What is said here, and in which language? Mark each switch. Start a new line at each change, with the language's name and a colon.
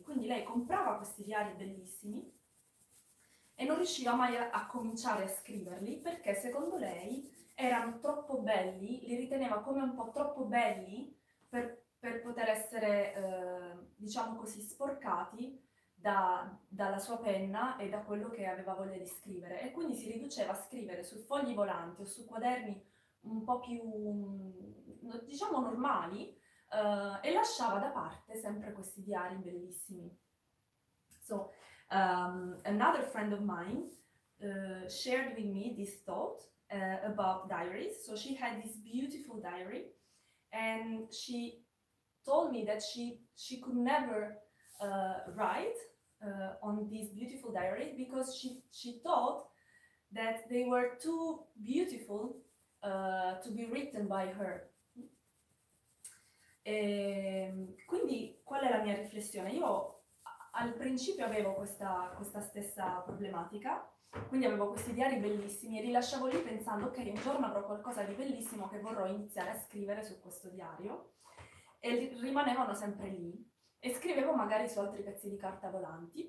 Italian: Quindi lei comprava questi diari bellissimi e non riusciva mai a cominciare a scriverli perché secondo lei erano troppo belli, li riteneva come un po' troppo belli per poter essere, diciamo così, sporcati dalla sua penna e da quello che aveva voglia di scrivere. E quindi si riduceva a scrivere su fogli volanti o su quaderni un po' più, diciamo, normali. E lasciava da parte sempre questi diari bellissimi.
English: So, another friend of mine shared with me this thought about diaries. So she had this beautiful diary and she told me that she could never write on this beautiful diary because she thought that they were too beautiful to be written by her.
Italian: E quindi qual è la mia riflessione? Io al principio avevo questa stessa problematica, quindi avevo questi diari bellissimi e li lasciavo lì pensando che un giorno avrò qualcosa di bellissimo che vorrò iniziare a scrivere su questo diario e rimanevano sempre lì e scrivevo magari su altri pezzi di carta volanti.